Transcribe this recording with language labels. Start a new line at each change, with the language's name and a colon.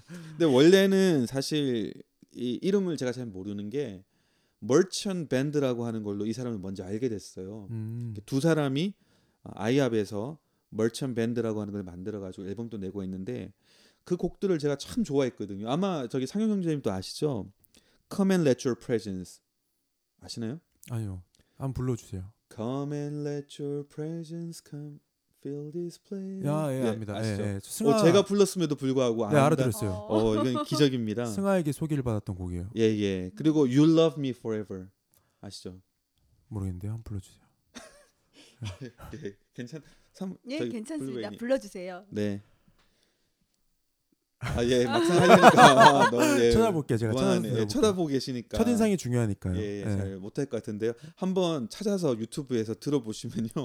Korean: 근데 원래는 사실 이 이름을 제가 잘 모르는 게 Merchant Band라고 하는 걸로 이 사람을 먼저 알게 됐어요. 두 사람이 아이압에서 Merchant Band라고 하는 걸 만들어가지고 앨범도 내고 있는데 그 곡들을 제가 참 좋아했거든요. 아마 저기 상영 형제님도 아시죠? Come and Let Your Presence 아시나요? 아니요. 한번 불러주세요.
English: Come and let your presence come fill this place.
Korean: 야, 예, 네, 압니다. 예, 예. 승아, 제가 불렀음에도 불구하고 네, 알아들었어요. 이건 기적입니다. 승아에게 소개를 받았던 곡이에요. 예, 예. 그리고 You Love Me Forever 아시죠? 모르겠는데 한번 불러주세요. 네, 괜찮. 예, 네, 괜찮습니다. 불러주세요. 네. 아, 예, 막상 하니까 너무 예, 쳐다볼게요. 제가 예, 쳐다보고 계시니까 첫인상이 중요하니까요. 예, 예, 예. 잘 못할 것 같은데요. 한번 찾아서 유튜브에서 들어보시면요.